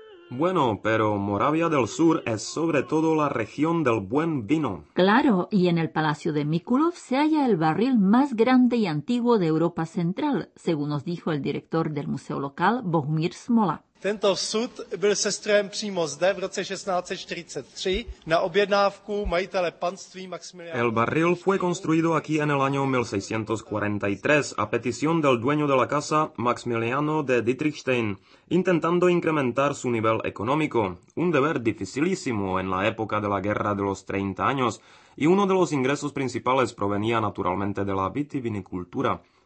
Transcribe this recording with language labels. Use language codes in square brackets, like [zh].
[es] Bueno, pero Moravia del Sur es sobre todo la región del buen vino. Claro, y en el Palacio de Mikulov se halla el barril más grande y antiguo de Europa Central, según nos dijo el director del museo local, Bohumír Smola. [cs] Tento sud byl sestrojen přímo zde v roce 1643 na objednávku majitele panství Maximiliana. [es] El barril fue construido aquí en el año 1643 a petición del dueño de la casa Maximiliano de Dietrichstein, intentando incrementar su nivel económico, un deber dificilísimo en la época de la Guerra de los 30 años, y uno de los ingresos principales provenía naturalmente de la vitivinicultura.